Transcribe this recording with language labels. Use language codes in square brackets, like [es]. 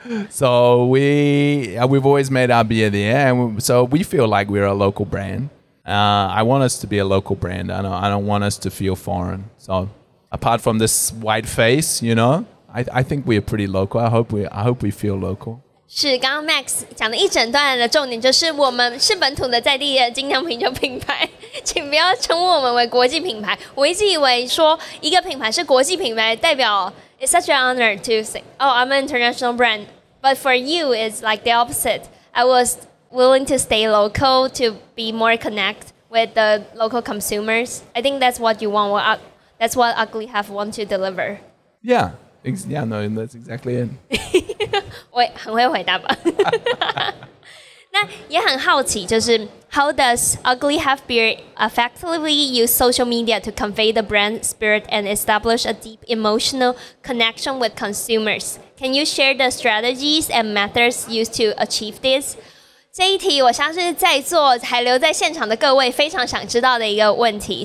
[en] So we've always made our beer there, and so we feel like we're a local brand. I want us to be a local brand. I don't want us to feel foreign. So apart from this white face, you know, I think we're pretty local. I hope we feel local. [zh] 是刚刚 Max 讲的一整段的重点就是我们是本土的在地的精酿啤酒品牌，请不要称我们为国际品牌。我一直以为说一个品牌是国际品牌代表。 [en] It's such an honor to say, oh, I'm an international brand. But for you, it's like the opposite. I was willing to stay local to be more connect with the local consumers. I think that's what you want. That's what Ugly Half want to deliver. Yeah, no, that's exactly it. [zh] 我很会回答吧。那也很好奇，就是 [en] how does Ugly Half Beer effectively use social media to convey the brand spirit and establish a deep emotional connection with consumers? Can you share the strategies and methods used to achieve this? [zh] 这一题我相信在座还留在现场的各位非常想知道的一个问题。